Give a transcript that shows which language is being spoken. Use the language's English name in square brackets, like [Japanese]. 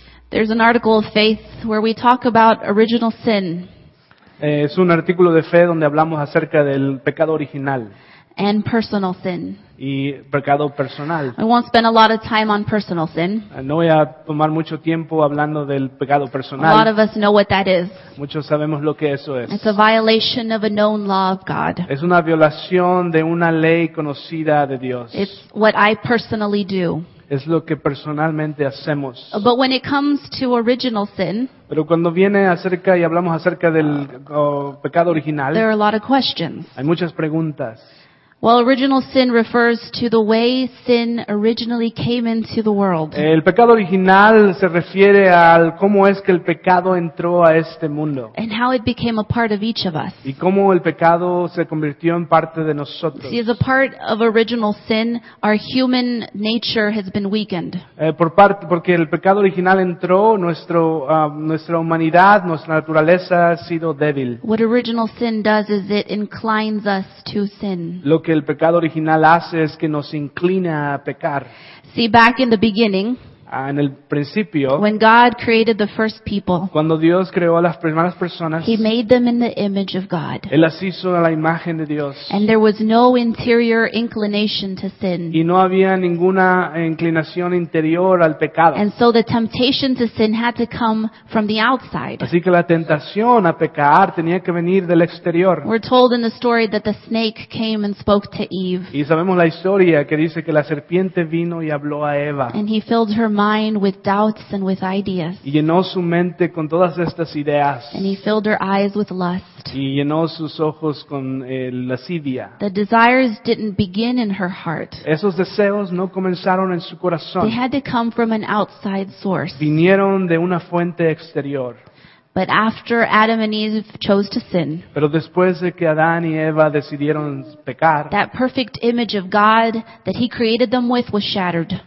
[English] There's an article of faith where we talk about original sin. [Spanish] Es un artículo de fe donde hablamos acerca del pecado original. [English] And personal sin. [Spanish] Y pecado personal. [English] I won't spend a lot of time on personal sin. [Spanish] No voy a tomar mucho tiempo hablando del pecado personal. [English] A lot of us know what that is. [Spanish] Muchos sabemos lo que eso es. [English] It's a violation of a known law of God. [Spanish] Es una violación de una ley conocida de Dios. [English] It's what I personally do. [Spanish] Es lo que personalmente hacemos. [English] But when it comes to original sin, [Spanish] pero cuando viene acerca y hablamos acerca del pecado original, [English] there are a lot of questions. [Spanish] Hay muchas preguntas. [English] Well, original sin refers to the way sin originally came into the world. [Spanish] El pecado original se refiere al cómo es que el pecado entró a este mundo. [English] And how it became a part of each of us. [Spanish] Y cómo el pecado se convirtió en parte de nosotros. [English] See, as a part of original sin, our human nature has been weakened. [Spanish] Porque el pecado original entró, nuestra humanidad, nuestra naturaleza ha sido débil. [English] What original sin does is it inclines us to sin. [Spanish] Que el pecado original hace es que nos inclina a pecar. [English] See, back in the beginning, [Spanish] en el principio, [English] when God created the first people, [Spanish] cuando Dios creó a las primeras personas, [English] He made them in the image of God. [Spanish] Él las hizo a la imagen de Dios. [English] And there was no interior inclination to sin. [Spanish] Y no había ninguna inclinación interior al pecado. [English] And so the temptation to sin had to come from the outside. [Spanish] Así que la tentación a pecar tenía que venir del exterior. [English] We're told in the story that the snake came and spoke to Eve. [Spanish] Y sabemos la historia que dice que la serpiente vino y habló a Eva. [English] And he filled her mind with doubts and with ideas. [Spanish] Y llenó su mente con todas estas ideas. [English] And he filled her eyes with lust. [Spanish] Y llenó sus ojos con lascivia. [English] The desires didn't begin in her heart. [Spanish] Esos deseos no comenzaron en su corazón. [English] They had to come from an outside source. [Spanish] Vinieron de una fuente exterior. [English] But after Adam and Eve chose to sin, [Spanish] pero después de que Adán y Eva decidieron pecar, [English] that perfect image of God that he created them with was shattered.